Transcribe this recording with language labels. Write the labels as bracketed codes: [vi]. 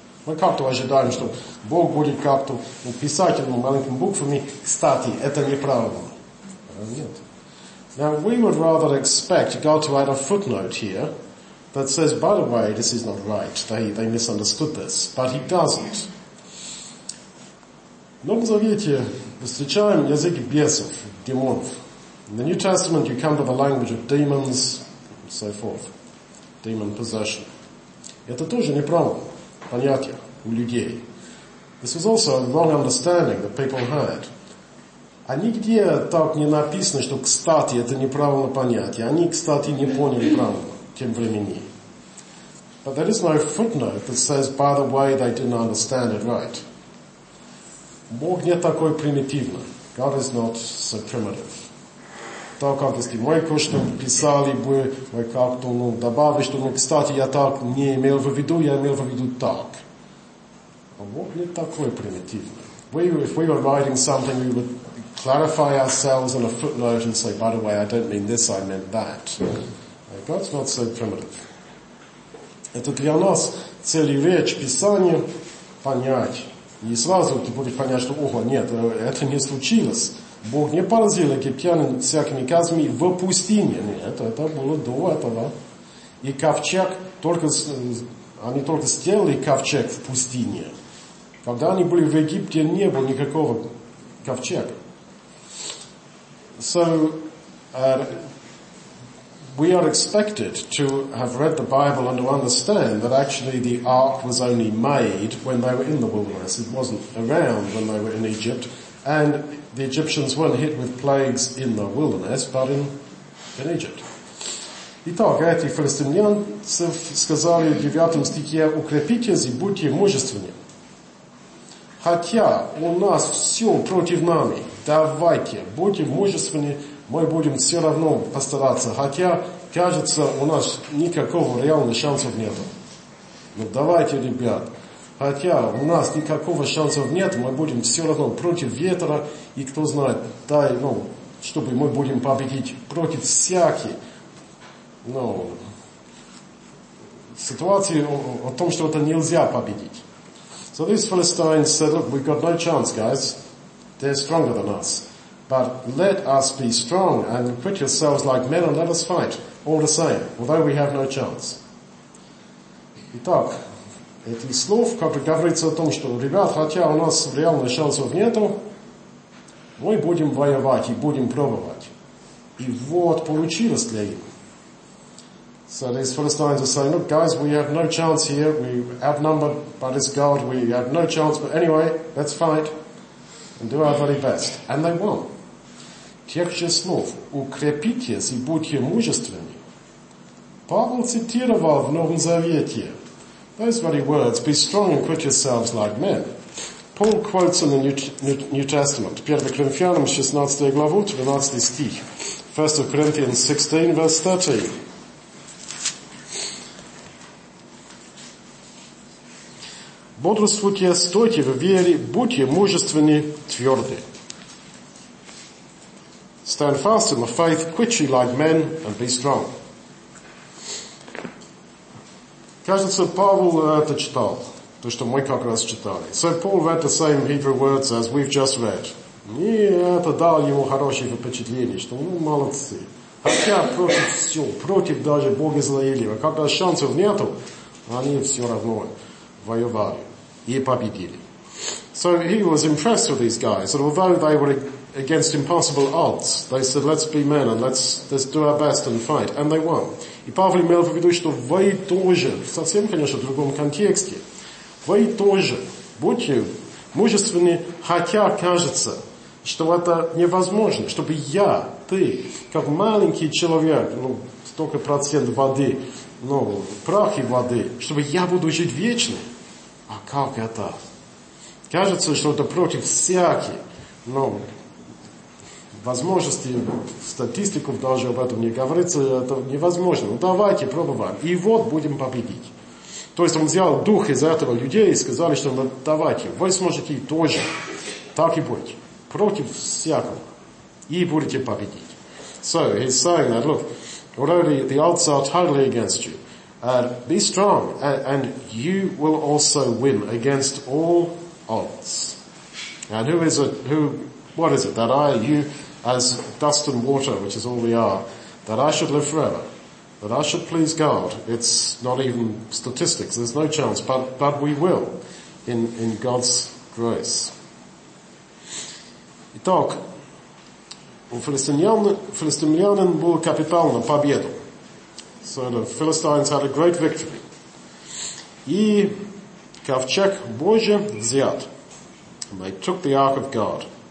[ru] Мы как-то ожидаем, что Бог будет как-то писать маленькими буквами, кстати, это неправильно. Нет. [en] Now, we would rather expect God to add a footnote here that says, by the way, this is not right. They misunderstood this. But he doesn't. [ru] В Новом Завете встречаем язык бесов, демонов. [en] In the New Testament, you come to the language of demons, and so forth. Demon possession. [ru] Это тоже неправильное понятие у людей. [en] This was also a wrong understanding that people had. [ru] А нигде так не написано, что, кстати, это неправильное понятие. Они, кстати, не поняли правильно тем времени. [en] But there is no footnote that says, by the way, they didn't understand it right. [ru] Бог не такой примитивный. [en] God is not so primitive. [ru] Так как если мой курс, то писали бы, мы как-то, ну, добавили, что, ну, кстати, я так не имел в виду, я имел в виду так. А вот не такое примитивное. [en] If we were writing something, we would clarify ourselves on a footnote and say, by the way, I don't mean this, I meant that. God's not so primitive. [ru] Это для нас цель речь, писание, понять. И сразу ты будешь понять, что, ого, нет, это не случилось. Бог не поразил египтян всякими казнями в пустыне. Нет, это было до этого. И ковчег, только, они только сделали ковчег в пустыне. Когда они были в Египте, не было никакого ковчега. [en] So, we are expected to have read the Bible and to understand that actually the ark was only made when they were in the wilderness. It wasn't around when they were in Egypt. And the Egyptians weren't hit with plagues in the wilderness, but in Egypt. [ru] Итак, эти филистимляне сказали в 9 стихе, укрепитесь и будьте мужественны. Хотя у нас все против нами, давайте, будьте мужественны, мы будем все равно постараться. Хотя, кажется, у нас никакого реального шанса нет. Но давайте, ребят. Хотя у нас никакого шансов нет, мы будем все равно против ветра, и кто знает, дай, ну, чтобы мы будем победить против всяких. Ну, ситуации о том, что это нельзя победить. [en] So these Philistines said, look, we've got no chance, guys. They're stronger than us. But let us be strong and quit yourselves like men and let us fight all the same, although we have no chance. [ru] Итак, эти слов, как говорится о том, что, ребят, хотя у нас реальных шансов нету, мы будем воевать и будем пробовать. И вот получилось для них. [en] So these Philistines are saying, look, guys, we have no chance here. We outnumbered by this God. We have no chance. But anyway, let's fight and do our very best. And they won. [ru] Тех же слов, укрепитесь и будьте мужественны. Павел цитировал в Новом Завете. [en] Those very words, be strong and quit yourselves like men. Paul quotes in the New Testament, 1 Corinthians 16 [ru] главу, 13 стих. [en] 1 Corinthians 16, verse 13. [ru] Бодрствуйте, стойте в вере, будьте мужественны, твердые. [en] Stand fast in the faith, quit ye like men, and be strong. [ru] Кажется, Павел это читал, то, что мы как раз читали. [en] So Paul read the same Hebrew words as we've just read. [ru] И это дало ему хорошее впечатление, что мы молодцы. Хотя против все, против даже Бога Израилева, когда шансов нету, они все равно воевали и победили. [en] So he was impressed with these guys, and although they were against impossible odds, they said, let's be men and let's do our best and fight. And they won. [ru] И Павел имел в виду, что вы тоже, совсем, конечно, в другом контексте, вы тоже будьте мужественны, хотя кажется, что это невозможно, чтобы я, ты, как маленький человек, ну, столько процент воды, ну, прах и воды, чтобы я буду жить вечно. А как это? Кажется, что это против всяких, ну, возможности, статистику даже об этом не говорится, это невозможно. Ну, давайте, пробуем. И вот будем победить. То есть он взял дух из этого людей и сказали, что ну, давайте, вы сможете тоже так и быть. Против всякого. И будете победить. [en] So, he's saying that, look, already the odds are totally against you. Be strong, and you will also win against all odds. And who is it, what is it that I, you, as dust and water, which is all we are, that I should live forever, that I should please God. It's not even statistics. There's no chance, but we will in God's grace. [ru] Итак, у филистимлян был капитальную победу. [en] So the Philistines had a great victory. [ru] И ковчег Божий взят. [en] They took the Ark of God.